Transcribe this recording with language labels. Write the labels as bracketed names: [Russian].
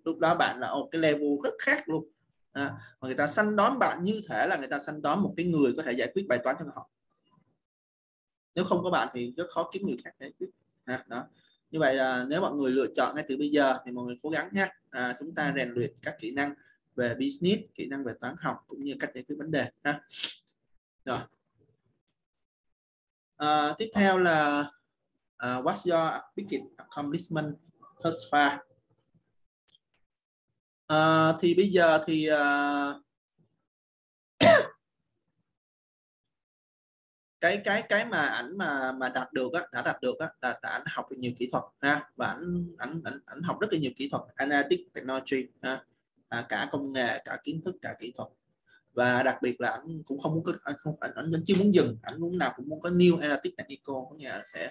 [Vietnamese] Lúc đó bạn là một cái level rất khác luôn. Đã. Và người ta săn đón bạn như thể là người ta săn đón một cái người có thể giải quyết bài toán cho họ. Nếu không có bạn thì rất khó kiếm người khác đấy. Đó. Như vậy là nếu mọi người lựa chọn ngay từ bây giờ thì mọi người cố gắng nhé. Chúng ta rèn luyện các kỹ năng về business, kỹ năng về toán học cũng như cách giải quyết vấn đề ha. Rồi. Tiếp theo là [English] what's your biggest accomplishment thus far? [Vietnamese] Thì bây giờ thì cái mà ảnh mà đạt được á, đã đạt được á, đã ảnh học được nhiều kỹ thuật ha, và ảnh học rất là nhiều kỹ thuật analytic technology ha, cả công nghệ, cả kiến thức, cả kỹ thuật, và đặc biệt là ảnh cũng không muốn cứ ảnh vẫn chưa muốn dừng, ảnh lúc nào cũng muốn có [English] new analytic technical, [Vietnamese] có nghĩa là